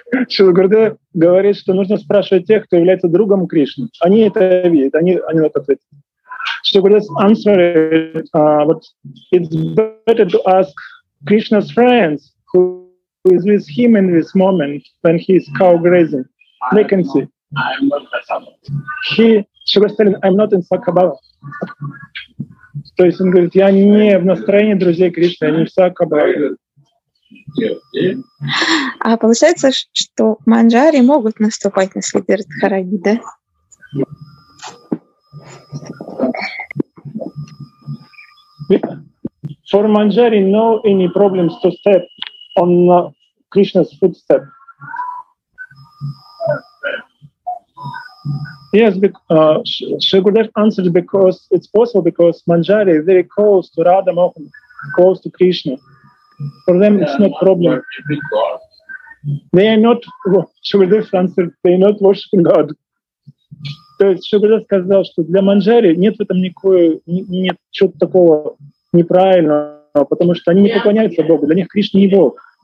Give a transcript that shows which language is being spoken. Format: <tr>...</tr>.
<ru>Шрила Гурудев говорит, что нужно спрашивать тех, кто является другом Кришны. Они это видят, они это ответят.</ru> <en>Шрила Гурудев answered, but it's better to ask Krishna's friends who is with him in this moment when he is cow grazing. They can see. I'm not in Sakabhava.</en> <ru>То есть он говорит, я не в настроении друзей Кришны, я не в Сакабхаве. А получается, что манджари могут наступать на следы Радхарани, да?</ru> <en>For manjari, no any problems to step on Krishna's footstep. Yes, Shugurdev answered because it's possible because Manjari is very close to Radha Mohan, close to Krishna. For them, it's not a problem. They are not, Shugurdev answered, they are not worshiping God.</en> <ru>То есть Shugurdev сказал, что для Манджари нет в этом никакого, нет чего-то такого неправильного, потому что они не поклоняются Богу, для них Кришна не Бог.</ru>